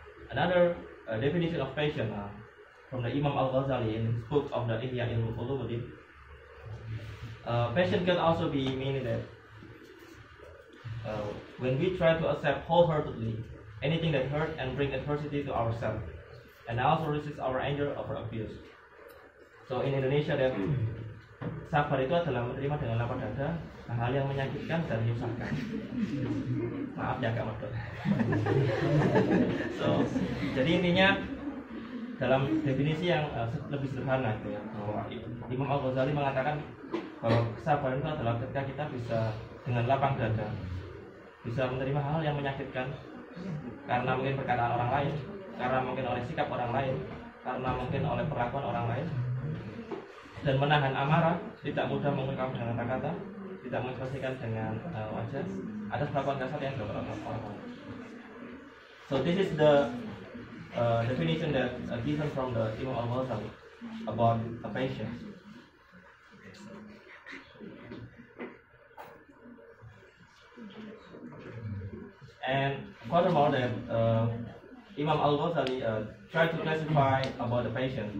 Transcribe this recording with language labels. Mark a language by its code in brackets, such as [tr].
[en] Another definition of patience from the Imam Al-Ghazali in his book of the Ihya Ulumuddin. Patience can also be meaning that when we try to accept wholeheartedly anything that hurt and bring adversity to ourselves, and also resist our anger over abuse. So in Indonesia, that [id] sabar itu adalah menerima dengan lapang dada hal yang menyakitkan dan menyusahkan. Maaf ya Kak Mardot. So, jadi intinya dalam definisi yang lebih sederhana itu ya, Imam Al-Ghazali mengatakan bahwa kesabaran itu adalah ketika kita bisa dengan lapang dada bisa menerima hal yang menyakitkan karena mungkin perkataan orang lain, karena mungkin oleh sikap orang lain, karena mungkin oleh perlakuan orang lain, dan menahan amarah, tidak mudah mengungkap dengan kata-kata, tidak mengekspresikan dengan wajah atas perlakuan kasar yang dilakukan orang lain. [en] So this is the definition that given from the Imam Al-Ghazali about a patience. And furthermore, that Imam Al-Ghazali tried to classify about the patience.